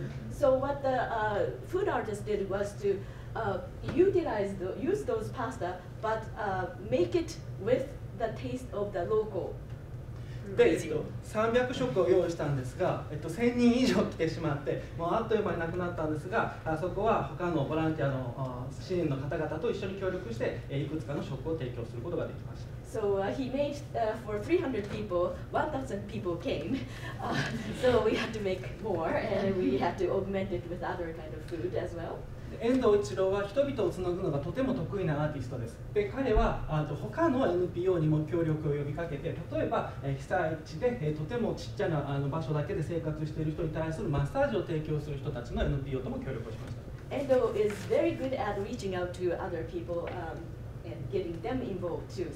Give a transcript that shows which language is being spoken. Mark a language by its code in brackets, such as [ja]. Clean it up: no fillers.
[en] So what the food artist did was to use those pasta, but make it with the taste of the local. [ja] で、300食を用意したんですが、1000人以上来てしまって、もうあっという間になくなったんですが、あそこは他のボランティアの支援の方々と一緒に協力して、いくつかの食を提供することができました。 [en] So he made for 300 people, 1,000 people came. So we had to make more and we had to augment it with other kind of food as well. [ja] 遠藤一郎は人々をつなぐのがとても得意なアーティストです。で、彼は他の NPO にも協力を呼びかけて、例えば被災地でとてもちっちゃな場所だけで生活している人に対するマッサージを提供する人たちの NPO とも協力をしました。 [en] 遠藤 is very good at reaching out to other people and getting them involved too.